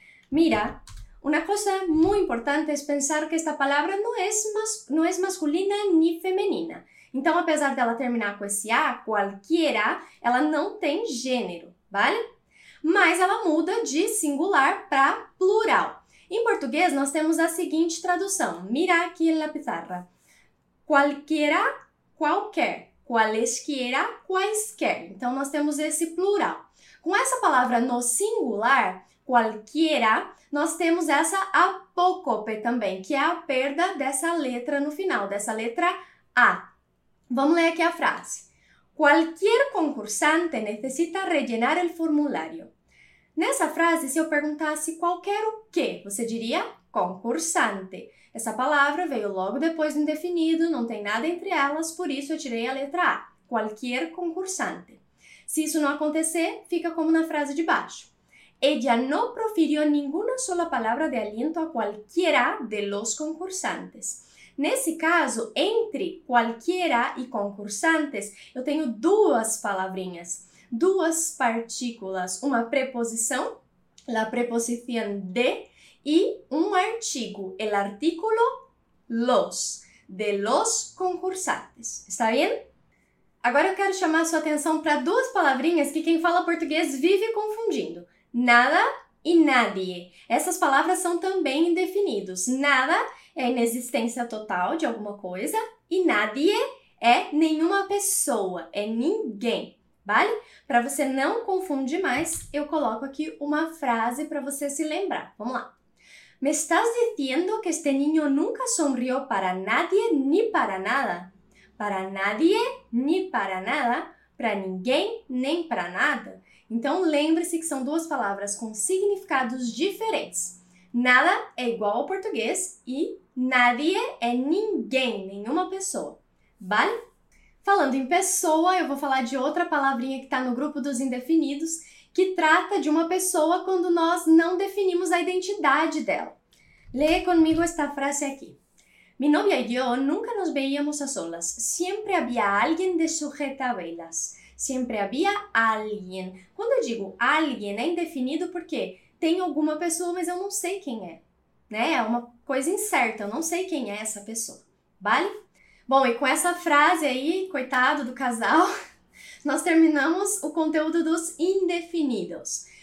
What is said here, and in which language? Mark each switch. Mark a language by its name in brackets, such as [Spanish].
[Spanish] Mira, una cosa muy importante es pensar que esta palabra no es masculina ni femenina. [Portuguese] Então, apesar dela terminar com esse A, cualquiera, ela não tem gênero, vale? Mas ela muda de singular para plural. Em português, nós temos a seguinte tradução. Mira aqui na pizarra. [Spanish] Cualquiera, qualquer. Cualesquiera, quaisquer. [Portuguese] Então, nós temos esse plural. Com essa palavra no singular, cualquiera, nós temos essa apócope também, que é a perda dessa letra no final, dessa letra A. Vamos ler aqui a frase. [Spanish] Cualquier concursante necesita rellenar el formulario. [Portuguese] Nessa frase, se eu perguntasse qualquer o quê, você diria concursante. Essa palavra veio logo depois do indefinido, não tem nada entre elas, por isso eu tirei a letra A. [Spanish] Cualquier concursante. [Portuguese] Se isso não acontecer, fica como na frase de baixo. [Spanish] Ella no profirió ninguna sola palabra de aliento a cualquiera de los concursantes. [Portuguese] Nesse caso, entre cualquiera e concursantes, eu tenho duas palavrinhas, duas partículas, uma preposição, [Spanish] la preposición de, [Portuguese] e um artigo, [Spanish] el artículo los, de los concursantes. [Portuguese] Está bem? Agora eu quero chamar sua atenção para duas palavrinhas que quem fala português vive confundindo. Nada e nadie. Essas palavras são também indefinidos. Nada é inexistência total de alguma coisa e nadie é nenhuma pessoa, é ninguém, vale? Para você não confundir mais, eu coloco aqui uma frase para você se lembrar. Vamos lá. [Spanish] Me estás diciendo que este niño nunca sonrió para nadie ni para nada. Para nadie ni para nada, [Portuguese] para ninguém nem para nada. Então lembre-se que são duas palavras com significados diferentes. Nada é igual ao português e nadie é ninguém, nenhuma pessoa. Vale? Falando em pessoa, eu vou falar de outra palavrinha que está no grupo dos indefinidos, que trata de uma pessoa quando nós não definimos a identidade dela. Leia comigo esta frase aqui. [Spanish] Mi novia y yo nunca nos veíamos a solas. Siempre había alguien de sujeta velas. Siempre había alguien. [Portuguese] Quando eu digo alguien, é indefinido porque tem alguma pessoa, mas eu não sei quem é. Né? É uma coisa incerta, eu não sei quem é essa pessoa. Vale? Bom, e com essa frase aí, coitado do casal, nós terminamos o conteúdo dos indefinidos.